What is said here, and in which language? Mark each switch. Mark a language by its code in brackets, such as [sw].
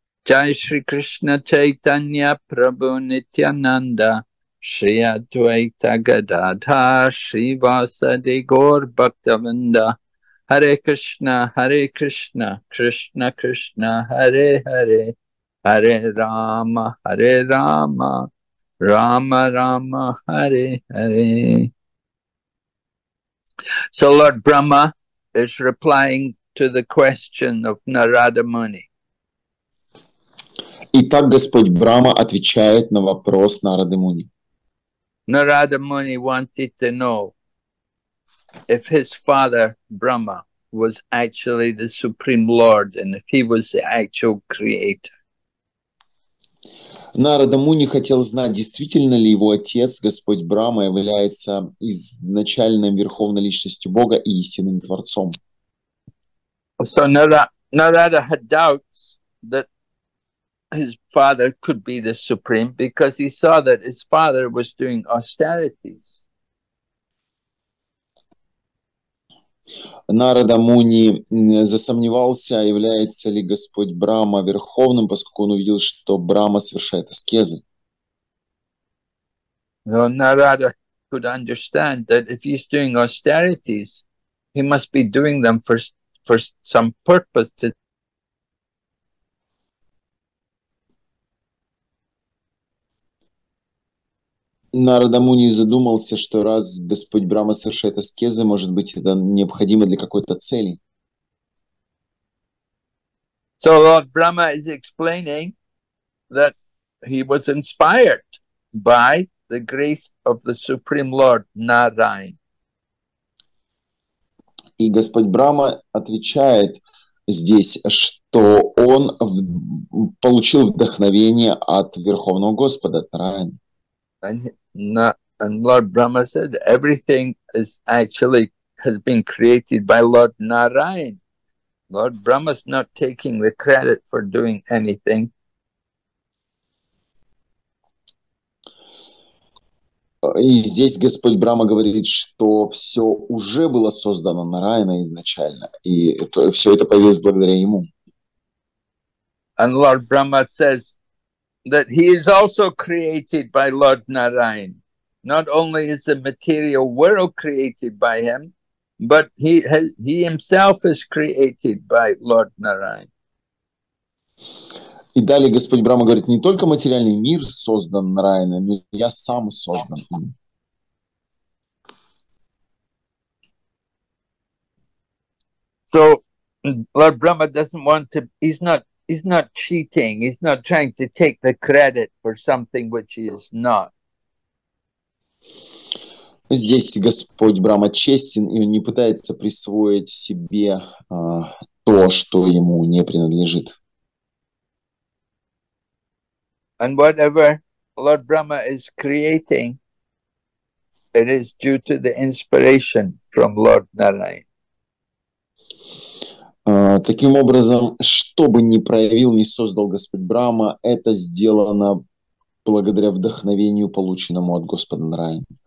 [sa] Jai Shri Krishna Chaitanya Prabhu Nityananda Shri Advaita Gadadhar Shri Vasadi Gaur Bhaktavinda Hare Krishna Hare Krishna Krishna Krishna Hare Hare Hare Rama Hare Rama Rama Rama Hare Hare. [en] So Lord Brahma is replying to the question of Narada Muni. [ru] Итак, Господь Брама отвечает на вопрос Нарады Муни. [en] Narada Muni wanted to know if his father Brahma was actually the supreme lord and if he was the actual creator. [ru] Нарада Муни хотел знать, действительно ли его отец, Господь Брама, является изначальным верховной личностью Бога и истинным творцом. [en] So Narada had doubts that his father could be the supreme because he saw that his father was doing austerities. [ru] Нарада Муни засомневался, является ли Господь Брама верховным, поскольку он увидел, что Брама совершает аскезы. [en] So Нарада could understand that if he's doing austerities, he must be doing them for some purpose to. [ru] Нарада Муни задумался, что раз Господь Брама совершает аскезы, может быть, это необходимо для какой-то цели. [en] So Lord Brahma is explaining that he was inspired by the grace of the Supreme Lord Narayan. [ru] И Господь Брама отвечает здесь, что он получил вдохновение от Верховного Господа Нараян. [en] And Lord Brahma said, everything is actually has been created by Lord Narayan. Lord Brahma's not taking the credit for doing anything. [ru] И здесь Господь Брама говорит, что все уже было создано Нараяна изначально, и это, все это появилось благодаря ему. [en] And Lord Brahma says that he is also created by Lord Narayan. Not only is the material world created by him, but he himself is created by Lord Narayan. [ru] И далее Господь Брама говорит, не только материальный мир создан Нараяном, но я сам создан им. [en] So Lord Brahma doesn't want to, he's not cheating, he's not trying to take the credit for something which he is not. [ru] Здесь Господь Брама честен, и он не пытается присвоить себе то, что ему не принадлежит. [en] And whatever Lord Brahma is creating, it is due to the inspiration from Lord Narayan. [ru] Таким образом, что бы ни проявил, ни создал Господь Брама, это сделано благодаря вдохновению, полученному от Господа Нараяны.